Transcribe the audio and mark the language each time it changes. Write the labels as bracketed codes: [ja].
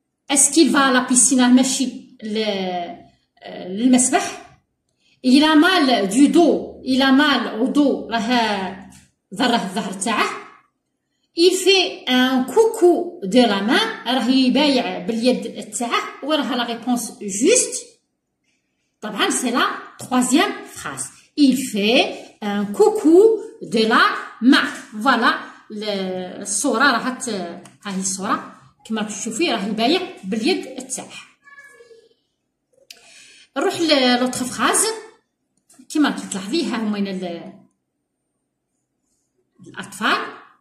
[fr] Est-ce qu'il va à la piscine à la machine le masbah? Il a mal du dos. Il a mal au dos. [ar] راه ضره الظهر تاعه. [fr] Il fait un coucou de la main. [ar] راه يبايع باليد تاعه. وراه [fr] لا ريبونس جوست. [ar] طبعا [fr] سي لا ترويزيام فراس. Il fait un coucou de la main. [ar] فوالا الصوره راه ها هي الصوره كما تشوفي راه يبايع باليد تاعه. نروح [fr] لوتر فراس [ar] كما تلاحظي ها هما الاطفال.